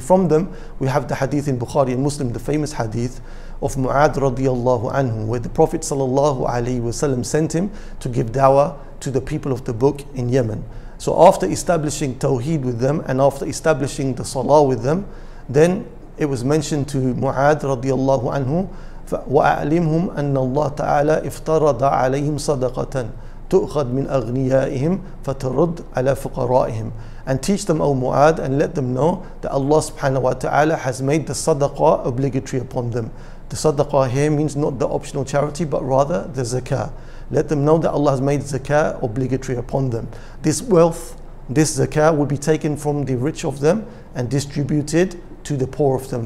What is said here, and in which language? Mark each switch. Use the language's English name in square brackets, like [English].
[English] From them, we have the hadith in Bukhari and Muslim, the famous hadith of Mu'ad radiallahu anhu, where the Prophet sallallahu alayhi wa sallam sent him to give dawah to the people of the book in Yemen. So after establishing tawheed with them and after establishing the salah with them, then it was mentioned to Mu'adh radiallahu anhu, [Arabic] وَأَعْلِمْهُمْ أَنَّ اللَّهَ تَعَالَى افْتَرَضَ عَلَيْهِمْ صَدَقَةً تُؤْخَدْ مِنْ أَغْنِيَائِهِمْ فَتَرُدْ عَلَى فُقَرَائِهِمْ. [English] And teach them, O Mu'adh, and let them know that Allah subhanahu wa ta'ala has made the sadaqah obligatory upon them. The sadaqah here means not the optional charity, but rather the zakah. Let them know that Allah has made zakah obligatory upon them. This wealth, this zakah, will be taken from the rich of them and distributed to the poor of them.